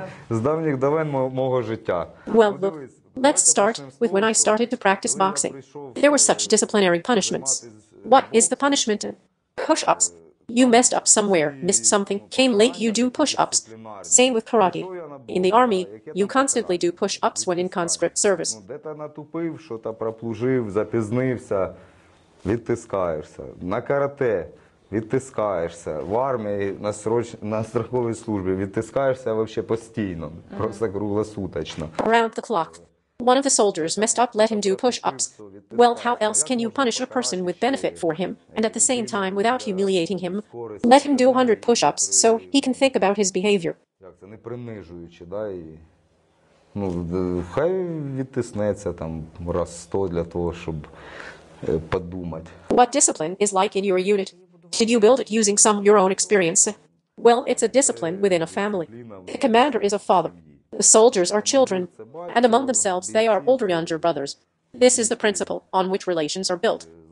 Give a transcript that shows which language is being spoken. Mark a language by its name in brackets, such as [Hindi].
[Ukrainian] з давніх давен мого життя. [English] Well, look, let's start with when I started to practice boxing. There were such disciplinary punishments. What is the punishment? Push-ups. You messed up somewhere, missed something, came late, you do push-ups. Same with karate. In the army, you constantly do push-ups when in conscript service. [Ukrainian] Де-то натупив, що-то проплужив, запізнився, відтискаєшся. На карате. Відтискаєшся в армії на страховій службі, відтискаєшся вообще постійно, просто круглосуточно. [English] Around the clock. One of the soldiers messed up, let him do push-ups. Well, how else can you punish a person with benefit for him, and at the same time without humiliating him? Let him do 100 push-ups, so he can think about his behavior. [Ukrainian] Як це, не принижуючи, да, і... Ну, хай відтиснеться там раз 100 для того, щоб подумати. [English] What discipline is like in your unit? Did you build it using some of your own experience? Well, it's a discipline within a family. The commander is a father. The soldiers are children. And among themselves, they are older younger brothers. This is the principle on which relations are built.